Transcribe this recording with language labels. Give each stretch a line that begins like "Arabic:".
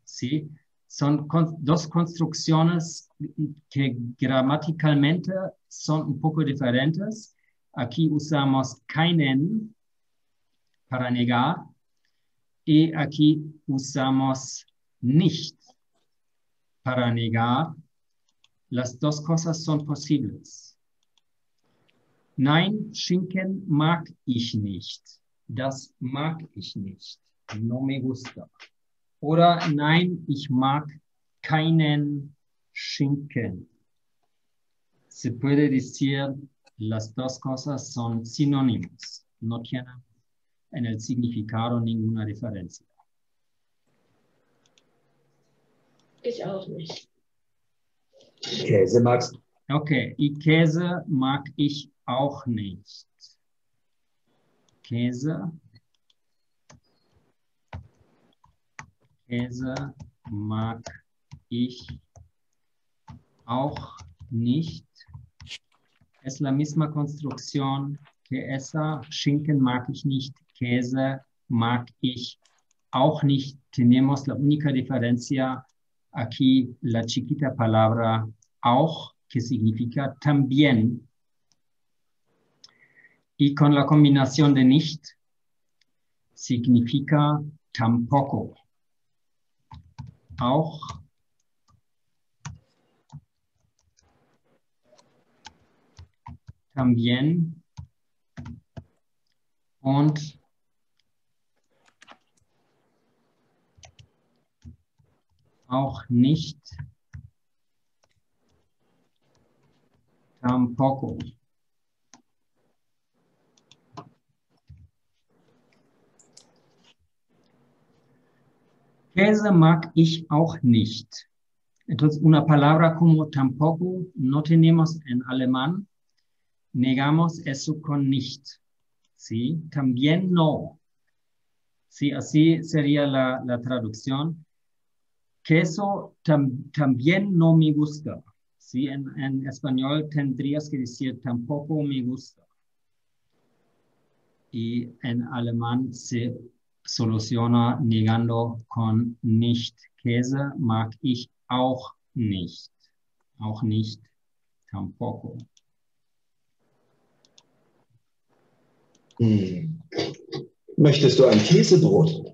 Spanish: ¿Sí? Son dos construcciones que gramaticalmente son un poco diferentes. Aquí usamos keinen para negar y aquí usamos nicht. Para negar, las dos cosas son posibles.
German: Nein, Schinken mag ich nicht. Das mag ich nicht.
Spanish: No me gusta.
German: Oder nein, ich mag keinen Schinken.
Spanish: Se puede decir, las dos cosas son sinónimos. No tienen en el significado ninguna diferencia.
German: Ich auch nicht. Käse magst du? Okay, Käse mag ich auch nicht. Käse mag ich auch nicht.
Spanish: Es la misma construcción que esa.
German: Schinken mag ich nicht. Käse mag ich auch nicht.
Spanish: Tenemos la única diferencia. Aquí la chiquita palabra auch, que significa también. Y con la combinación de nicht, significa tampoco.
German: Auch también und auch nicht tampoco. Käse mag ich auch nicht.
Spanish: Entonces, una palabra como tampoco no tenemos en alemán. Negamos eso con nicht. ¿Sí? También no. Sí, así sería la traducción. Queso también no me gusta. ¿Sí? En español tendrías que decir tampoco me gusta. Y en alemán se soluciona negando con
German: nicht Käse, mag ich auch nicht. Auch nicht tampoco. Möchtest du ein Käsebrot?